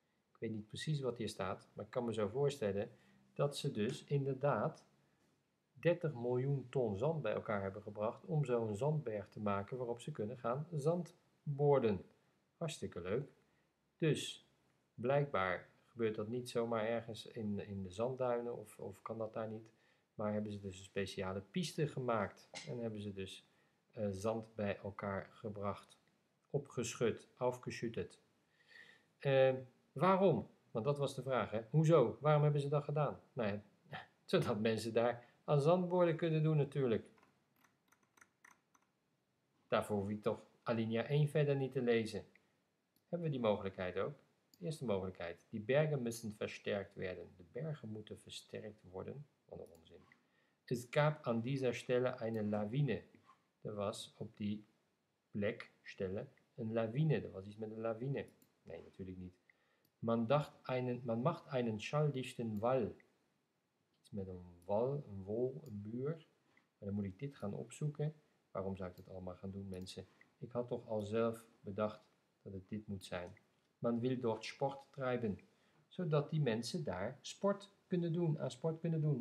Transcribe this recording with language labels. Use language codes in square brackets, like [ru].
[nl] Ik weet niet precies wat hier staat, maar ik kan me zo voorstellen dat ze dus inderdaad 30 miljoen ton zand bij elkaar hebben gebracht om zo'n zandberg te maken waarop ze kunnen gaan zandboorden. Hartstikke leuk. Dus, blijkbaar gebeurt dat niet zomaar ergens in de zandduinen of kan dat daar niet. Maar hebben ze dus een speciale piste gemaakt. En hebben ze dus zand bij elkaar gebracht. Opgeschud, aufgeschüttet. Waarom? Want dat was de vraag, hè? Hoezo? Waarom hebben ze dat gedaan? Nou ja, zodat mensen daar aan zandboorden kunnen doen natuurlijk. Daarvoor hoef je toch alinea 1 verder niet te lezen. Hebben we die mogelijkheid ook? Eerste mogelijkheid. Die bergen moeten versterkt werden. De bergen moeten versterkt worden. Wat een onzin. [de] Es gab an dieser Stelle eine Lawine. [nl] Er was op die plek, stelle, een lawine. Er was iets met een lawine. Nee, natuurlijk niet. [de] Man macht einen schalldichten Wall. [nl] Iets met een wal, een wol, een muur. Maar dan moet ik dit gaan opzoeken. Waarom zou ik dat allemaal gaan doen, mensen? Ik had toch al zelf bedacht dat het dit moet zijn. [de] Man will dort Sport treiben. [nl] Zodat die mensen daar sport kunnen doen. Aan sport kunnen doen.